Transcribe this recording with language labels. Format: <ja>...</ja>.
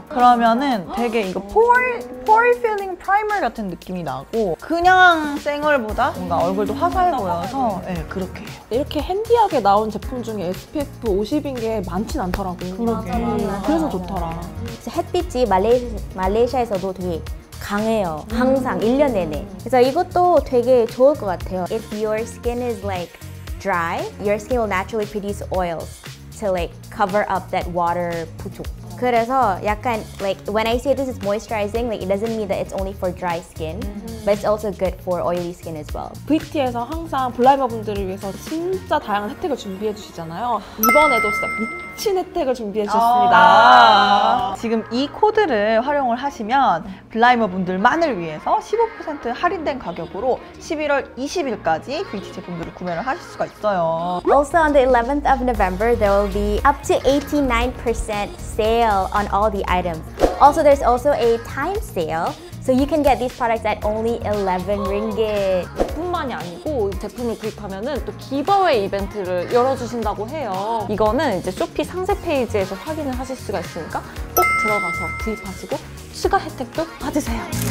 <ko>그러면은 되게 이거 포리 필링 프라이머 같은 느낌이 나고 그냥 쌩얼보다 뭔가 얼굴도 화사해 보여서 네, 그렇게 해요. 이렇게 핸디하게 나온 제품 중에 SPF 50인 게 많진 않더라고. 그러게. 그래서 좋더라. 햇빛이 말레이시아에서도 되게 강해요. 항상 1년 내내. 그래서 이것도 되게 좋을 것 같아요.</ko> <en>If your skin is like dry, your skin will naturally produce oils to like cover up that water 부족.</en> <ko>그래서 약간</ko> <en>like when I say this is moisturizing, like it doesn't mean that it's only for dry skin, but it's also good for oily skin as well.</en> <ko>VT에서 항상 블라이머 분들을 위해서 진짜 다양한 혜택을 준비해 주시잖아요. 이번에도 진짜 미친 혜택을 준비해 주셨습니다. 지금 이 코드를 활용을 하시면 블라이머 분들만을 위해서 15% 할인된 가격으로 11월 20일까지 VT 제품들을 구매를 하실 수가 있어요.</ko> <en>Also on the 11th of November, there will be up to 89% sale on all the items. Also, there's also a time sale. So you can get these products at only 11 ringgit.</en> <ko>뿐만이 아니고 제품을 구입하면은 또 기브웨이 이벤트를 열어주신다고 해요. 이거는 이제 쇼피 상세 페이지에서 확인을 하실 수가 있으니까 꼭 들어가서 구입하시고 추가 혜택도 받으세요.</ko>